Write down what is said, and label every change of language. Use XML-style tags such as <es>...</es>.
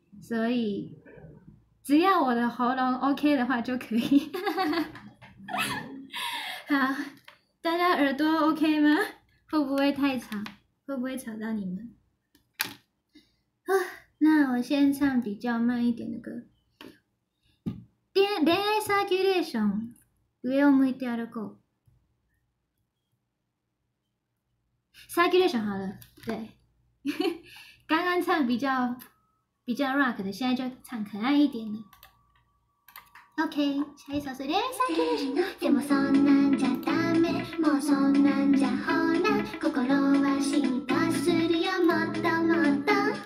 <zh>所以只要我的喉咙 OK 的话就可以。好，大家耳朵 OK 吗？会不会太吵？会不会吵到你们？那我先唱比较慢一点的歌。恋爱 circulation， 上を向いて歩こう。 circulation 好了，对。刚刚唱比较 rock 的，现在就唱可爱一点的。 OK， 下一首是恋爱 circulation。</zh> <ja>でもそんなんじゃダメ、もうそんなんじゃほら、心は進化するよ、もっともっと。</ja>